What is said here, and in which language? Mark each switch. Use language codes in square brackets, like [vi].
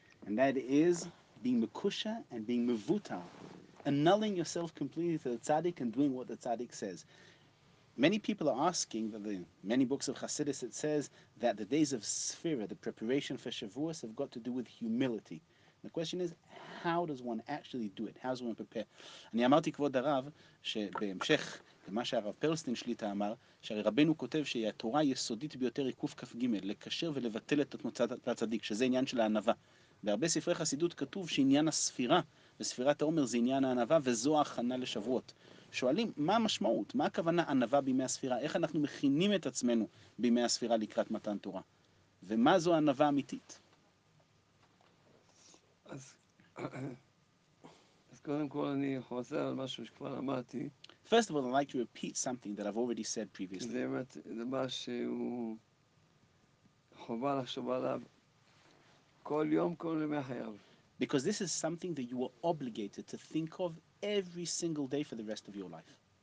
[en] And that is being Mekusha and being Mevuta, annulling yourself completely to the tzaddik and doing what the tzaddik says. Many people are asking, that the many books of Hasidus, it says that the days of Sfira, the preparation for Shavuos, have got to do with humility. And the question is, how does one actually do it? How does one prepare? And I said to Kvod Rav, [he] שבהמשך למה שהרב פרלסטין שליטה אמר, שהרי רבנו כותב שהתורה היסודית ביותר היא קוף כף ג' לקשר ולבטל את התמוצת הצדיק, שזה עניין של הענבה. בהרבה ספרי חסידות כתוב שעניין הספירה וספירת העומר זה עניין הענבה, וזו ההכנה לשבועות. שואלים, מה המשמעות? מה הכוונה ענבה בימי הספירה? איך אנחנו מכינים את עצמנו בימי הספירה לקראת מתן תורה? ומה זו ענבה אמיתית? אז קודם כל אני חוזר על משהו שכבר אמרתי. [en] First of all, I'd like to repeat something that I've already said previously. [he] זה באמת דבר שהוא חובה לחשוב עליו כל יום, כל ימי חייו. [en] Because this is something that you are obligated to think of every single day for the rest of your life.